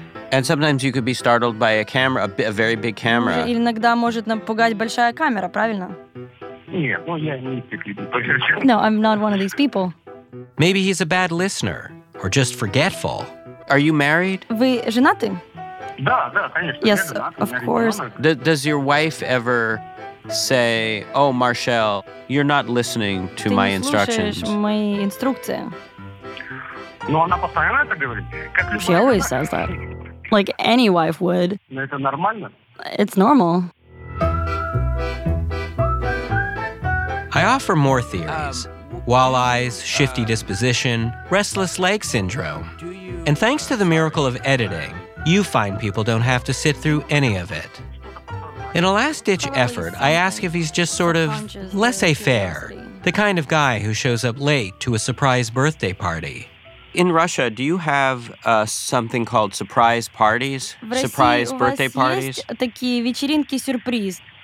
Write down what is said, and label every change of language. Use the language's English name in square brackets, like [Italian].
[English] And sometimes you could be startled by a camera, a very big camera. [Russian] Иногда может напугать большая камера, правильно? [English] No, I'm not one of these people. Maybe he's a bad listener, or just forgetful. Are you married? [Russian] Вы женаты? Да, конечно. [English] Yes, of course. Does your wife ever say, "Oh, Marchel, you're not listening to my instructions"? [Russian] Ты не слушаешь мои инструкции. Но она постоянно это говорит. [English] She always says that. Like any wife would. It's normal. I offer more theories. Wall eyes, shifty disposition, restless leg syndrome. And thanks to the miracle of editing, you fine people don't have to sit through any of it. In a last-ditch effort, I ask if he's just sort of laissez-faire, the kind of guy who shows up late to a surprise birthday party. In Russia, do you have something called surprise parties? Surprise birthday parties? [Russian] В России у вас есть такие вечеринки сюрприз?